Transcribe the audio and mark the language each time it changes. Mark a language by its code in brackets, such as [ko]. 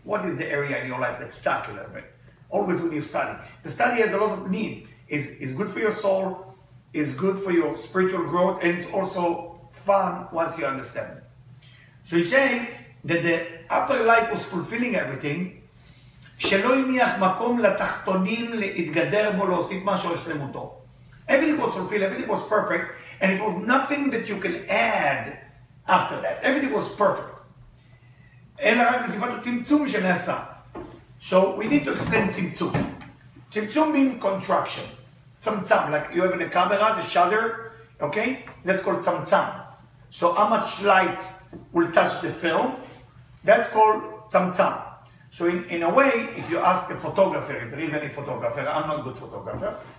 [en] What is the area in your life that's stuck a little bit? Always when you study. The study has a lot of need. It's good for your soul, it's good for your spiritual growth, and it's also fun once you understand it. So he's saying that the upper light was fulfilling everything. [he] שלא ימיח מקום לתחתונים להתגדר בו להוסיף משהו לשלמותו. [en] Everything was fulfilled, everything was perfect, and it was nothing that you can add after that. Everything was perfect. [he] אלא רק בסיבת הצמצום שנעשה. [en] So we need to explain צמצום. צמצום means contraction. צמצם, like you have in the camera, the shutter, okay? That's called צמצם. So how much light will touch the film? That's called צמצם. So in a way, if you ask a photographer, if there is any photographer, I'm not a good photographer.